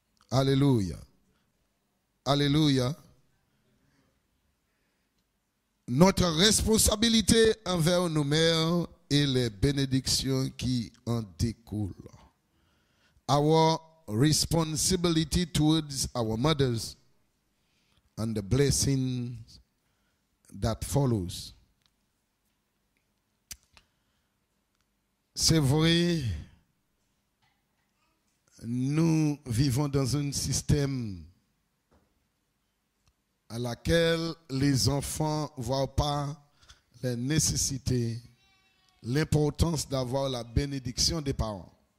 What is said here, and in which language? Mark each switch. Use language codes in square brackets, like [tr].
[fr] Alléluia. Alléluia. Notre responsabilité envers nos mères et les bénédictions qui en découlent. [en] Our responsibility towards our mothers and the blessings that follows. [fr] C'est vrai, nous vivons dans un système à laquelle les enfants ne voient pas la nécessité, l'importance d'avoir la bénédiction des parents.